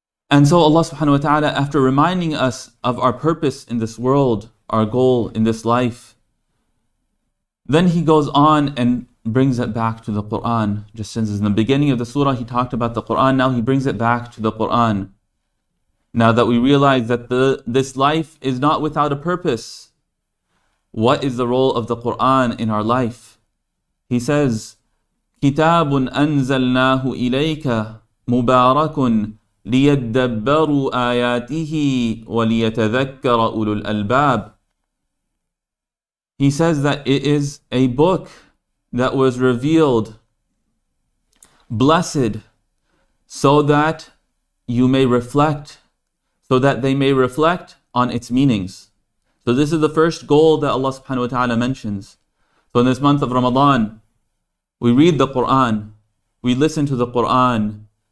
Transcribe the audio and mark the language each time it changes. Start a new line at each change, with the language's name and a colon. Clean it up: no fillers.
English: And so Allah subhanahu wa ta'ala, after reminding us of our purpose in this world, our goal in this life, then he goes on and brings it back to the Qur'an. Just since in the beginning of the surah he talked about the Qur'an, now he brings it back to the Qur'an. Now that we realize that this life is not without a purpose, what is the role of the Qur'an in our life?
Arabic: He says, كِتَابٌ أَنزَلْنَاهُ إِلَيْكَ مُبَارَكٌ لِيَدَّبَّرُوا آيَاتِهِ وَلِيَتَذَكَّرَ أُولُو الْأَلْبَابِ.
English: He says that it is a book that was revealed, blessed, so that you may reflect, so that they may reflect on its meanings. So this is the first goal that Allah subhanahu wa ta'ala mentions. So in this month of Ramadan, we read the Qur'an, we listen to the Qur'an,